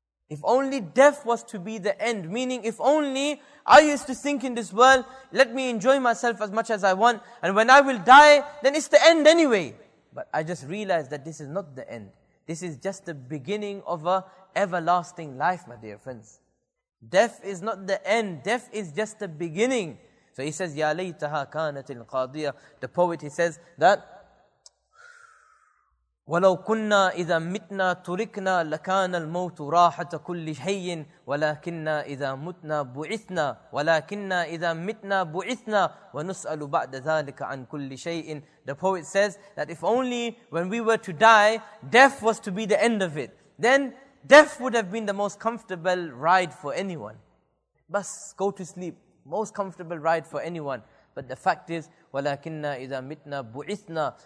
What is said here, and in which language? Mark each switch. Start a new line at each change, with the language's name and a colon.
English: If only death was to be the end. Meaning, if only I used to think in this world, let me enjoy myself as much as I want. And when I will die, then it's the end anyway. But I just realized that this is not the end. This is just the beginning of an everlasting life, my dear friends. Death is not the end. Death is just the beginning. So he says,
Arabic: Ya laytaha kanatil qadiya.
English: The poet, he says that,
Arabic: وَلَوْ كُنَّا إِذَا مِتْنَا تُرِكْنَا لَكَانَ الْمَوْتُ رَاحَةَ كُلِّ شَيْءٍ وَلَكِنَّا إِذَا مُتْنَا بُعِثْنَا وَلَكِنَّا إِذَا مِتْنَا بُعِثْنَا وَنُسْأَلُ بَعْدَ ذَلِكَ عَنْ كُلِّ شَيْءٍ.
English: The poet says that if only when we were to die, death was to be the end of it, then death would have been the most comfortable ride for anyone. Bas, go to sleep. Most comfortable ride for anyone. But the fact is,
Arabic: وَلَكِنَّا إِذَا مِتْنَا بُعِثْنَا.